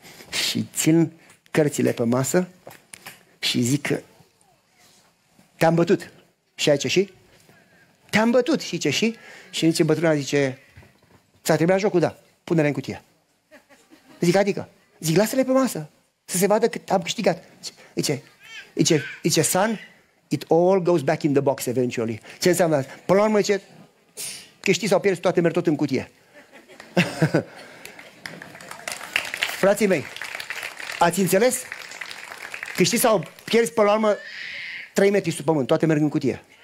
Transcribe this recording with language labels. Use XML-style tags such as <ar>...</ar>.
<ro>Și țin cărțile pe masă și zic că te-am bătut. Și aici și? Te-am bătut, și ce și? Și zice bătrâna, zice, ți-a trebuit jocul, da, pune-le în cutie. Zic, adică? Zic, lasă-le pe masă, să se vadă cât am câștigat. Zice,</ro> <en>son, it all goes back in the box eventually.</en> <ro>Ce înseamnă? Până la urmă, zice, câștii sau pierzi, toate merg tot în cutie. Frații mei, ați înțeles? Câștii sau pierzi, până la urmă, 3 metri sub pământ, toate merg în cutie.</ro>